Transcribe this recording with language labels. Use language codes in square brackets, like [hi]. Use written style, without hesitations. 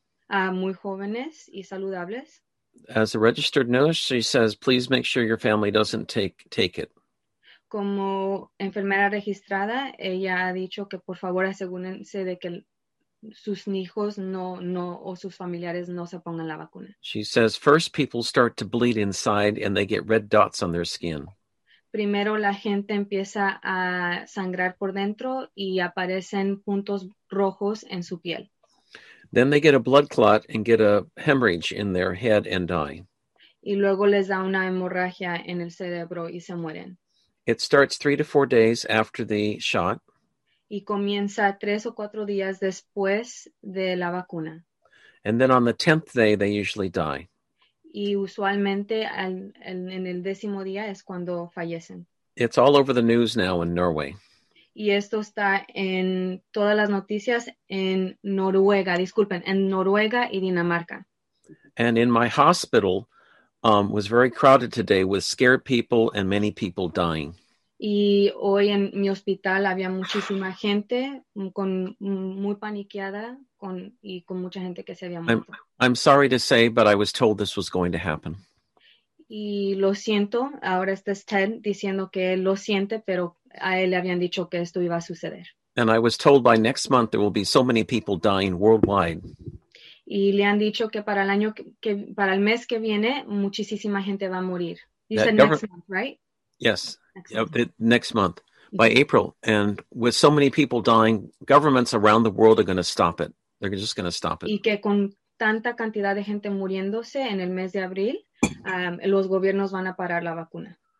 [es] Muy jóvenes y saludables. [en] As a registered nurse, she says, please make sure your family doesn't take it. [es] Como enfermera registrada, ella ha dicho que por favor asegúrense de que sus hijos no o sus familiares no se pongan la vacuna. [en] She says, first people start to bleed inside and they get red dots on their skin. [es] Primero la gente empieza a sangrar por dentro y aparecen puntos rojos en su piel. [en] Then they get a blood clot and get a hemorrhage in their head and die. [es] Y luego les da una hemorragia en el cerebro y se mueren. [en] It starts 3 to 4 days after the shot. [es] Y comienza 3 o 4 días después de la vacuna. [en] And then on the 10th day, they usually die. [es] Y usualmente en el décimo día es cuando fallecen. [en] It's all over the news now in Norway. [es] Y esto está en todas las noticias en Noruega, disculpen, en Noruega y Dinamarca. [en] And in my hospital, was very crowded today with scared people and many people dying. [es] Y hoy en mi hospital había muchísima gente con muy paniqueada y con mucha gente que se había muerto. [en] I'm sorry to say, but I was told this was going to happen. [es] Y lo siento, ahora está Ted diciendo que lo siente, pero a él le habían dicho que esto iba a suceder. [en] And I was told by next month there will be so many people dying worldwide. [es] Y le han dicho que para el año que para el mes que viene muchísima gente va a morir. [en] You said next month, right? Yes. Next month, by April. And with so many people dying, governments around the world are going to stop it. They're just going to stop it. [es] Y que con tanta cantidad de gente muriéndose en el mes de abril, los gobiernos van a parar la vacuna.